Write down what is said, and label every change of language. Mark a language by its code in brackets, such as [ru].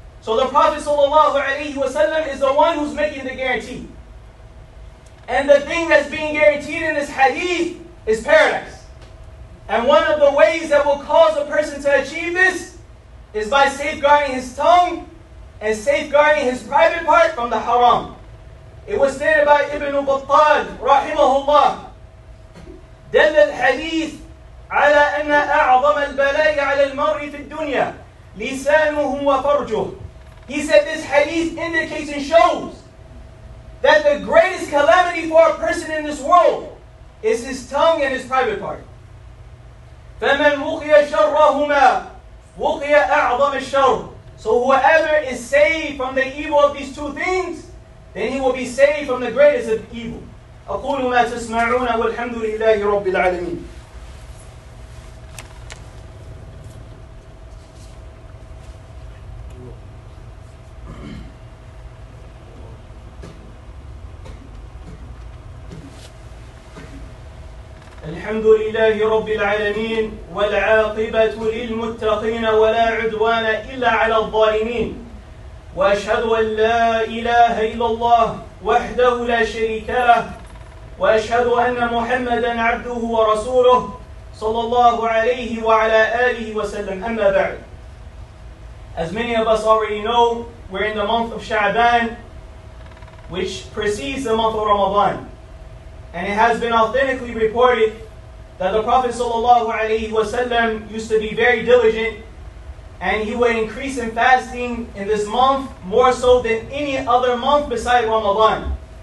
[en] So the Prophet sallallahu alayhi wa sallam is the one who's making the guarantee. And the thing that's being guaranteed in this hadith is paradise. And one of the ways that will cause a person to achieve this is by safeguarding his tongue and safeguarding his private part from the haram. [ar] It was stated by Ibn Battal, rahimahullah, دل الحديث على أن أعظم البلاء على المرء في الدنيا لسانه وفرجه. [en] He said this hadith indicates and shows that the greatest calamity for a person in this world is his tongue and his private part. [ar] فمن وقي شرهما وقي أعظم الشر. [en] So whoever is saved from the evil of these two things, then he will be saved from the greatest of evil. [ar] أقول ما تسمعون والحمد لله رب العالمين. الحمد لله رب العالمين والعاقبة للمتقين ولا عدوان إلا على الظالمين. وأشهد أن لا إله إلا الله وحده لا شريك له وأشهد أن محمدًا عبده ورسوله صلى الله عليه وعلى آله وسلم. [en] أما بعد, as many of us already know, we're in the month of Sha'ban, which precedes the month of Ramadan. And it has been authentically reported that the Prophet sallallahu alaihi wasallam used to be very diligent, and he would increase in fasting in this month more so than any other month beside Ramadan.